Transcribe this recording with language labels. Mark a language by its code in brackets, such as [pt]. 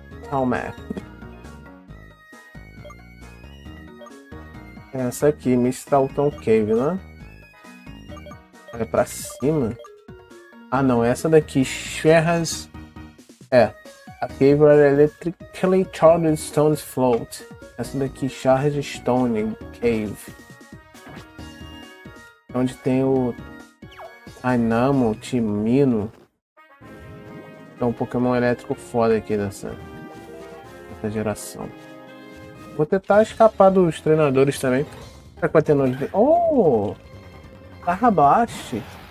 [pt] Calma. Essa aqui, Mistalton Cave, né? Olha pra cima. Ah, não, essa daqui, Sherras. É. [en] A cave where electrically charged stones float. [pt] Essa daqui, Charge Stone Cave. Onde tem o Tainamo, Timino. Então, um Pokémon elétrico foda aqui dessa geração. Vou tentar escapar dos treinadores também. Será que vai ter nojo? Oh! Tarrabaste!